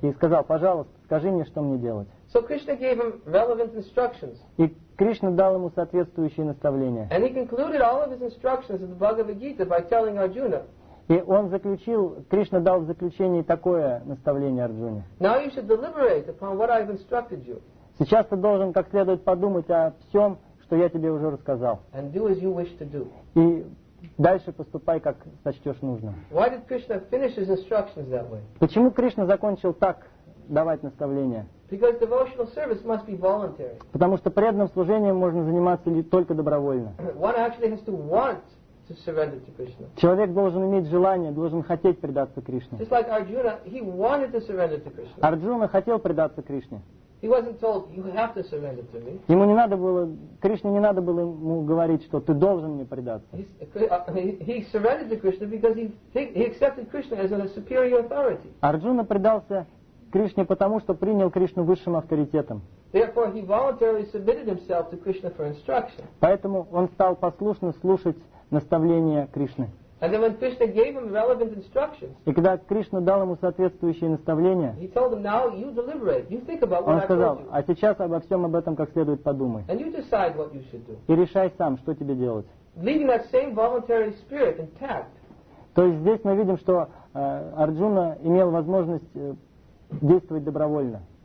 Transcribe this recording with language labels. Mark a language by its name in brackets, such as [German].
[Russian] И сказал: "Пожалуйста, скажи мне, что мне делать." [English] So Krishna gave him relevant instructions. [Russian] И Кришна дал ему соответствующие наставления. [English] And he concluded all of his instructions in the Bhagavad Gita by telling Arjuna. [Russian] И он заключил, Кришна дал в заключении такое наставление Арджуне. [English] Now you should deliberate upon what I've instructed you. [Russian] Сейчас ты должен как следует подумать о всем, что я тебе уже рассказал. [English] And do as you wish to do. [Russian] И дальше поступай, как сочтешь нужным. [English] Why did Krishna finish his instructions that way? [Russian] Почему Кришна закончил так давать наставления? [English] Because devotional service must be voluntary. [Russian] Потому что преданным служением можно заниматься только добровольно. [English] One actually has to want to surrender to Krishna. [Russian] Человек должен иметь желание, должен хотеть предаться Кришне. [English] Just like Arjuna, he wanted to surrender to Krishna. [Russian] Арджуна хотел предаться Кришне. [English] He wasn't told, you have to surrender to me. [Russian] Ему не надо было, Кришне не надо было ему говорить, что ты должен мне предаться. [English] He surrendered to Krishna because he accepted Krishna as a superior authority. [Russian] Арджуна предался Кришне потому, что принял Кришну высшим авторитетом. [English] Therefore, he voluntarily submitted himself to Krishna for instruction. [Russian] Поэтому он стал послушно слушать наставления Кришны. [English] And then when Krishna gave him relevant instructions, [Russian] и когда Кришна дал ему соответствующие наставления, [English] he told him, "Now you deliberate. You think about what [Russian] он сказал, [English] I told you. [Russian] А сейчас обо всем об этом как следует подумай. [English] And you decide what you should do. [Russian] И решай сам, что тебе делать. [English] Leaving that same voluntary spirit intact. [Russian] То есть здесь мы видим, что Арджуна имел возможность действовать добровольно.